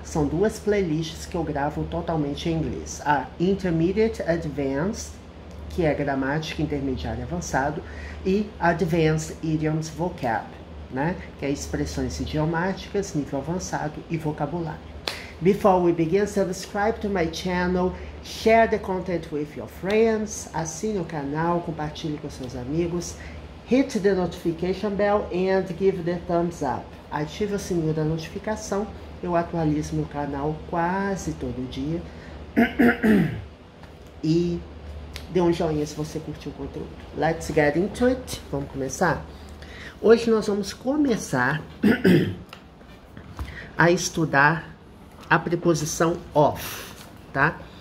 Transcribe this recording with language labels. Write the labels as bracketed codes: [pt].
[pt] São duas playlists que eu gravo totalmente em inglês. A Intermediate Advanced, que é gramática intermediária avançado, e Advanced Idioms Vocab, né? Que é expressões idiomáticas, nível avançado e vocabulário. [en] Before we begin, subscribe to my channel, share the content with your friends, [pt] assine o canal, compartilhe com seus amigos, [en] hit the notification bell and give the thumbs up. [pt] Ative o sininho da notificação, eu atualizo meu canal quase todo dia. E dê um joinha se você curtiu o conteúdo. [en] Let's get into it. [pt] Vamos começar? Hoje nós vamos começar a estudar a preposição of, tá?